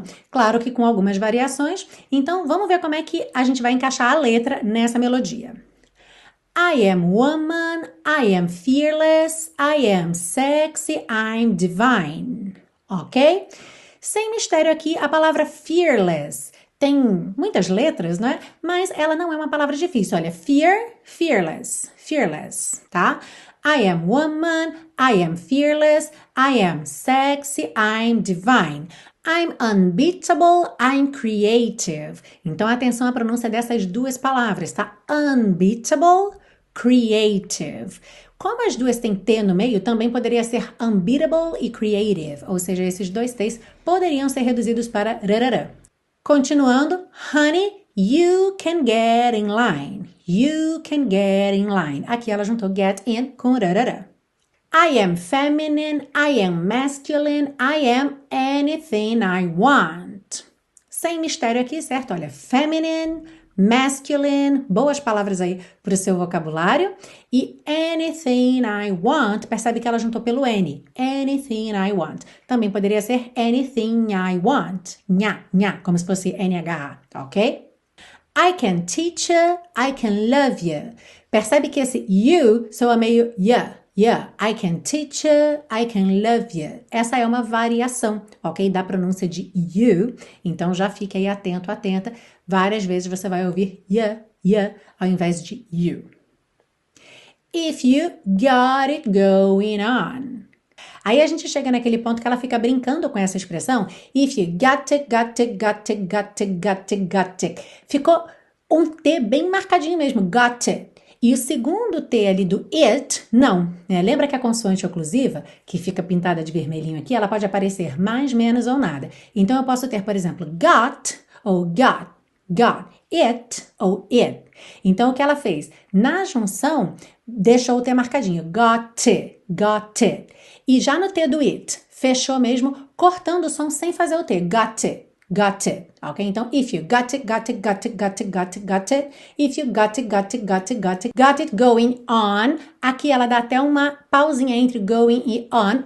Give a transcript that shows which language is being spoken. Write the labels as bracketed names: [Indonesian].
[Portuguese] Claro que com algumas variações. Então, vamos ver como é que a gente vai encaixar a letra nessa melodia. [English] I am woman, I am fearless, I am sexy, I'm divine. Ok? [Portuguese] Sem mistério aqui, a palavra fearless tem muitas letras, não é? Mas ela não é uma palavra difícil. Olha, fear, fearless, fearless, tá? [English] I am woman, I am fearless, I am sexy, I'm divine, I'm unbeatable, I'm creative. [Portuguese] Então atenção à pronúncia dessas duas palavras, tá? Unbeatable, creative. Como as duas têm T no meio, também poderia ser unbeatable e creative. Ou seja, esses dois T's poderiam ser reduzidos para rarara. [English] Continuando, honey, you can get in line. You can get in line. [Portuguese] Aqui ela juntou get in com rarara. [English] I am feminine, I am masculine, I am anything I want. [Portuguese] Sem mistério aqui, certo? Olha, feminine, masculine, boas palavras aí para o seu vocabulário. E [English] anything I want, [Portuguese] percebe que ela juntou pelo N. [English] Anything I want. [Portuguese] Também poderia ser [English] anything I want. [Portuguese] Nha, nha, como se fosse NH, ok? [English] I can teach you, I can love you. [Portuguese] Percebe que esse you soa meio ya. [English] Yeah, I can teach you, I can love you. [Portuguese] Essa é uma variação, ok? Da pronúncia de you. Então já fique aí atento, atenta. Várias vezes você vai ouvir yeah, yeah, ao invés de you. [English] If you got it going on. [Portuguese] Aí a gente chega naquele ponto que ela fica brincando com essa expressão. [English] If you got it, got it, got it, got it, got it, got it. [Portuguese] Ficou um T bem marcadinho mesmo, got it. E o segundo T ali do it, não. Né? Lembra que a consoante oclusiva, que fica pintada de vermelhinho aqui, ela pode aparecer mais, menos ou nada. Então eu posso ter, por exemplo, got ou got, got, it ou it. Então o que ela fez? Na junção, deixou o T marcadinho. Got it, got it. E já no T do it, fechou mesmo, cortando o som sem fazer o T. [English] Got it. Got it, ok? Então, if you got it, got it, got it, got it, got it, got it, if you got it, got it, got it, got it, got it going on. [Portuguese] Aqui ela dá até uma pausinha entre going e on.